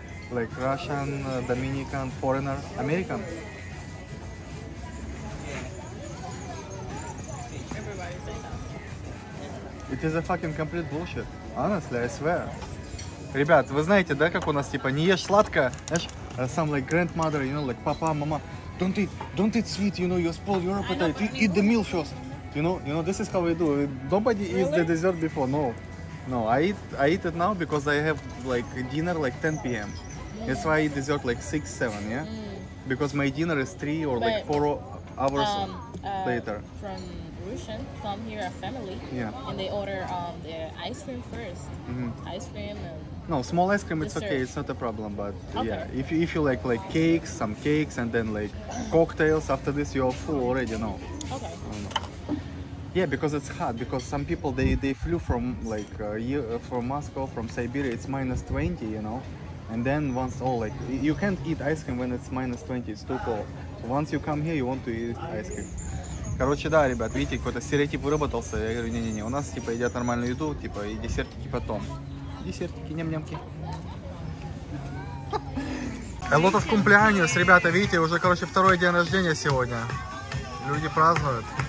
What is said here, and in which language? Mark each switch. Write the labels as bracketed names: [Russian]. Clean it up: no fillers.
[English] Like Russian, Dominican, foreigner, American? Everybody say that. It is a fucking complete bullshit. Honestly, I swear. [Russian] Ребят, вы знаете, да, как у нас, типа, не ешь сладкое, знаешь? [English] Some like grandmother, you know, like [Russian] папа, мама. [English] Don't eat sweet, you know, you spoil your appetite. Eat the meal first. You know, this is how we do. Nobody really? Eats the dessert before. No, no. I eat it now because I have like dinner like 10 p.m. That's why I eat dessert like 6, 7, yeah? Mm. Because my dinner is 3 or like 4 hours later. From Russian, come here, a family, yeah. And they order their ice cream first. Mm-hmm. Ice cream and no, small ice cream, it's dessert. Okay, it's not a problem, but okay. Yeah. If you like cakes, some cakes, and then like cocktails, after this you're full already, no. Okay. Yeah, because it's hot, because some people, they flew from like from Moscow, from Siberia, it's minus 20, you know? And then once all like, you can't eat ice cream when it's minus 20, it's too cold. Once you come here, you want to eat ice cream. [Russian] Короче, да, ребят, видите, какой-то стереотип выработался. Я говорю, не-не-не, у нас типа едят нормальную еду, типа и десертики потом. Десертики, ням-нямки. [English] A lot of [Spanish] cumpleaños, [Russian] ребята, видите, уже, короче, второй день рождения сегодня. Люди празднуют.